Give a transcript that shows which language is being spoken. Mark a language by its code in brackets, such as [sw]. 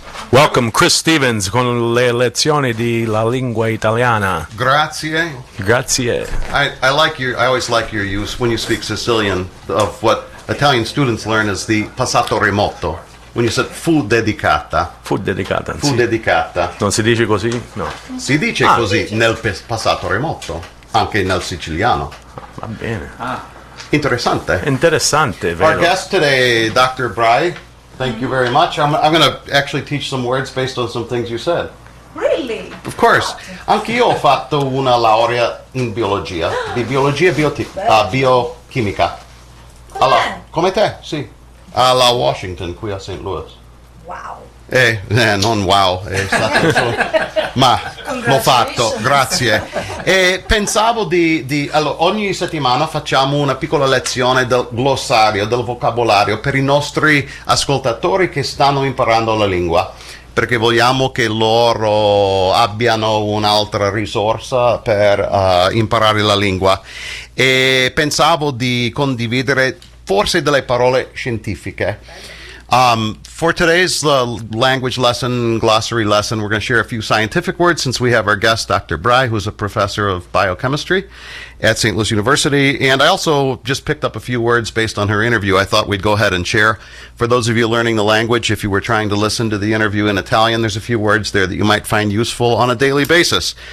[en] Welcome [it] Chris Stevens con le lezioni di la lingua italiana. Grazie. Grazie. [en] I like your, I always like your use when you speak Sicilian of what Italian students learn is the passato remoto. When you said fu dedicata. [it] Fu dedicata. Fu sì. Dedicata. Non si dice così? No. Si dice ah, così dice. Nel passato remoto, anche nel siciliano. Va bene. Ah. Interessante. Interessante, vero. [en] Our guest today, Dr. Bry. Thank you very much. I'm going to actually teach some words based on some things you said. Really? Of course. [it] Anch'io ho fatto una laurea in biologia, di biologia biochimica. Alla, come te, sì. Alla Washington, qui a St. Louis. Wow. Non wow, è stato solo, ma l'ho fatto, grazie. E pensavo di allora, ogni settimana facciamo una piccola lezione del glossario, del vocabolario per i nostri ascoltatori che stanno imparando la lingua, perché vogliamo che loro abbiano un'altra risorsa per imparare la lingua. E pensavo di condividere forse delle parole scientifiche. [en] For today's language lesson, glossary lesson, we're going to share a few scientific words since we have our guest, Dr. Bry, who's a professor of biochemistry at St. Louis University. And I also just picked up a few words based on her interview. I thought we'd go ahead and share. For those of you learning the language, if you were trying to listen to the interview in Italian, there's a few words there that you might find useful on a daily basis.